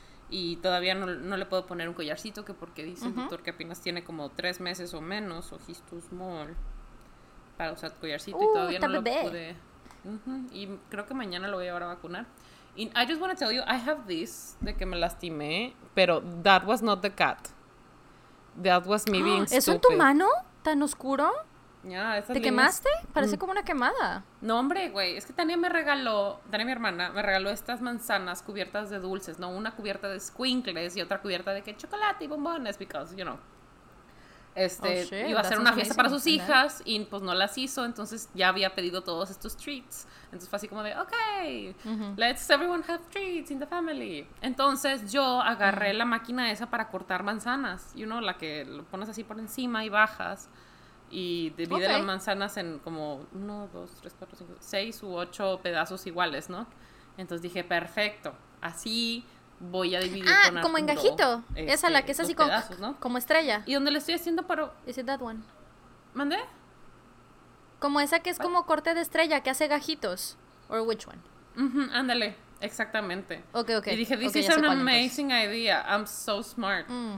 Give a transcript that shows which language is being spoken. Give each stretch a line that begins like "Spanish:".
Spanish: Y todavía no le puedo poner un collarcito, que porque dice el doctor que apenas tiene como 3 meses o menos, o
English: he's too small,
Spanish: para usar collarcito. Y todavía no lo pude. Y creo que mañana lo voy a llevar a vacunar.
English: And I just want to tell you, I have this,
Spanish: de que me lastimé, pero
English: that was not the cat. That was me being stupid.
Spanish: ¿Es en tu mano tan oscuro?
English: Yeah,
Spanish: ¿te líneas... quemaste? Parece como una quemada. No, hombre, güey, es que Tania, mi hermana, me regaló estas manzanas cubiertas de dulces, ¿no? Una cubierta de squinkles y otra cubierta de que chocolate y bombones,
English: because, you know.
Spanish: Iba a hacer una fiesta para sus hijas y pues no las hizo, entonces ya había pedido todos estos treats. Entonces fue así como de, ok,
English: let's everyone have treats in the family.
Spanish: Entonces yo agarré la máquina esa para cortar manzanas,
English: you know,
Spanish: la que lo pones así por encima y bajas. Y divide las manzanas en como 1, 2, 3, 4, 5, 6 u 8 pedazos iguales, ¿no? Entonces dije, perfecto, así voy a dividir con Arturo. Ah, como en gajito, esa la que es así pedazos, ¿no? Como estrella. ¿Y dónde le estoy haciendo para...?
English: Is it that one?
Spanish: ¿Mandé? Como esa que es como corte de estrella, que hace gajitos.
English: Or which one?
Spanish: Ándale, exactamente. Ok, ok. Y dije,
English: this is an amazing idea, I'm so smart.